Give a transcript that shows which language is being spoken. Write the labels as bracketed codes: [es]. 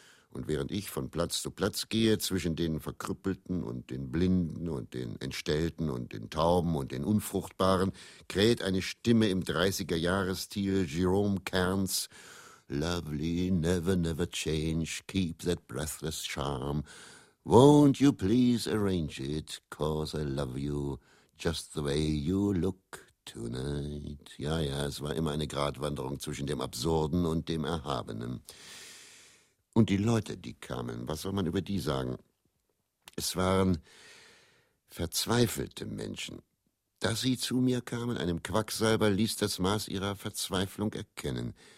[de] Und während ich von Platz zu Platz gehe, zwischen den Verkrüppelten und den Blinden und den Entstellten und den Tauben und den Unfruchtbaren, kräht eine Stimme im 30er-Jahres-Stil Jerome Kerns: [en] Lovely, never, never change, keep that breathless charm. Won't you please arrange it, cause I love you, just the way you look tonight. [de] Ja, ja, es war immer eine Gratwanderung zwischen dem Absurden und dem Erhabenen. Und die Leute, die kamen, was soll man über die sagen? Es waren verzweifelte Menschen. Dass sie zu mir kamen, einem Quacksalber, ließ das Maß ihrer Verzweiflung erkennen.